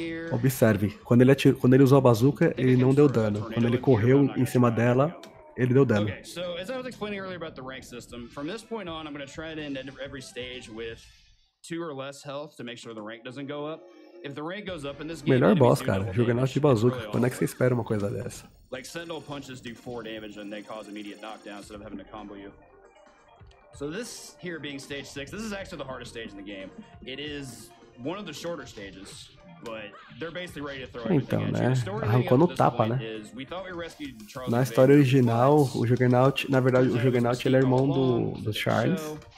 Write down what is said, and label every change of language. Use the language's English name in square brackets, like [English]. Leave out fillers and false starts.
[Portuguese] Observe, quando ele usou a bazuca, ele não deu dano. Quando ele correu em cima dela, ele deu dano. [English] Okay, so as I was explaining earlier about the rank system, from this point on, I'm going to try to end every stage with two or less health to make sure the rank doesn't go up. If the rank goes up in this game, [Portuguese] melhor boss, cara, Juggernaut de bazuca. Quando é que você espera uma coisa dessa? [English] Like Sentinel punches do 4 damage and they cause immediate knockdown instead of having to combo you. So this here being stage six, this is actually the hardest stage in the game. It is one of the shorter stages, but they're basically ready to throw [Portuguese] então, [English] everything at you. [Portuguese] Arrancou no tapa, né? [English] Is, we thought we rescued Charles. [Portuguese] Na história original, o Juggernaut, na verdade, o Juggernaut ele é irmão do Charles.